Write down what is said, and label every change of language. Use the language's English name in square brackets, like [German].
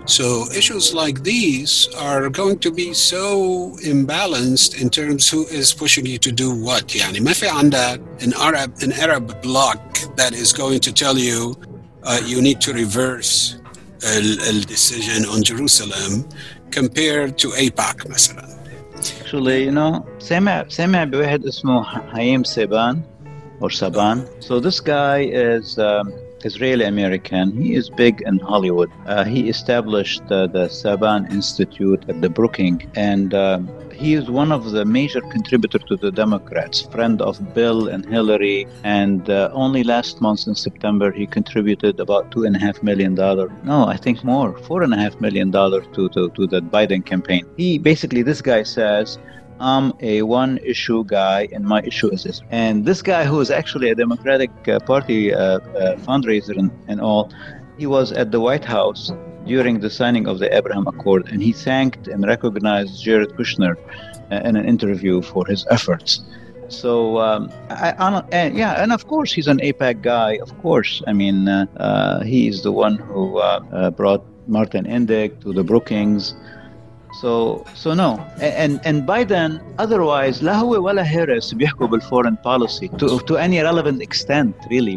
[English] So issues like these are going to be so imbalanced in terms of who is pushing you to do what. [Arabic] يعني ما في عندك [English] an Arab bloc that is going to tell you you need to reverse the decision on Jerusalem compared to APAC, [Arabic] مثلا. [English] Actually, [Arabic] سمع بواحد اسمه حيم سبان or Saban. [English] So this guy is Israeli-American. He is big in Hollywood. He established the Saban Institute at the Brookings, and he is one of the major contributors to the Democrats, friend of Bill and Hillary, and only last month in September, he contributed about $4.5 million to the Biden campaign. This guy says, I'm a one-issue guy, and my issue is Israel. And this guy, who is actually a Democratic Party fundraiser and all, he was at the White House during the signing of the Abraham Accord, and he thanked and recognized Jared Kushner in an interview for his efforts. So, of course, he's an APAC guy, of course. I mean, he is the one who brought Martin Indyk to the Brookings. So no, and Biden otherwise [Arabic] لا هو ولا هيرس بيحكوا بالفورين بوليسي [English] to any relevant extent, really.